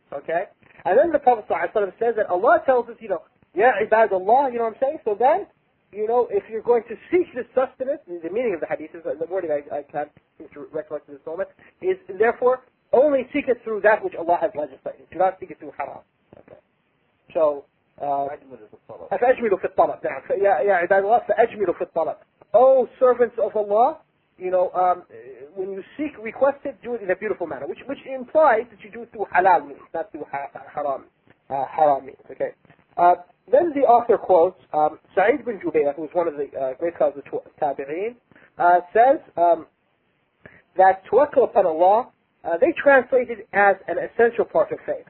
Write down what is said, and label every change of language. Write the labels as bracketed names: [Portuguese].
[English] Okay, and then the Prophet ﷺ says that Allah tells us, ibadallah, So then, if you're going to seek this sustenance, the meaning of the hadith is the wording I can't recollect in this moment is therefore. Only seek it through that which Allah has legislated. Do not seek it through haram. Okay. So, [Arabic] فأجملوا في الطلب. يا عباد الله فأجملوا في الطلب. [English] Oh servants of Allah, you know, when you seek, request it, do it in a beautiful manner, which implies that you do it through halal means, not through haram, haram means. Okay. Then the author quotes Sa'id bin Jubayr, who is one of the great scholars of Tabi'in, says that tawakkul upon Allah, they translate it as an essential part of faith.